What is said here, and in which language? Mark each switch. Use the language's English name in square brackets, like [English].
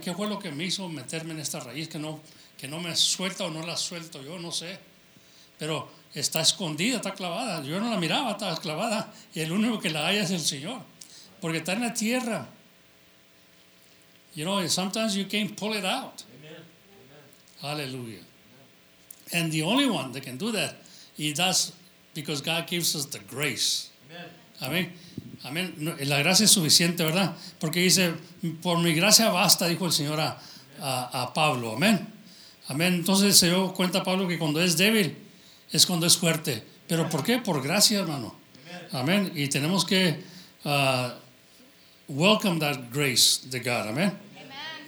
[Spanish] ¿Qué fue lo que me hizo meterme en esta raíz que no me suelta o no la suelto? Yo no sé. Pero está escondida, está clavada. Yo no la miraba, estaba clavada. Y el único que la haya es el Señor. Porque está en la tierra. [English] You know, sometimes you can't pull it out. Amen. Hallelujah. Amen. And the only one that can do that, y that's because God gives us the grace. Amen. [Spanish] Amen. Amen. La gracia es suficiente, ¿verdad? Porque dice, por mi gracia basta, dijo el Señor a Pablo. Amén. Amén. Entonces se dio cuenta Pablo que cuando es débil, es cuando es fuerte. ¿Pero por qué? Por gracia, hermano. Amén. Y tenemos que [English] welcome that grace [Spanish] de God. Amén.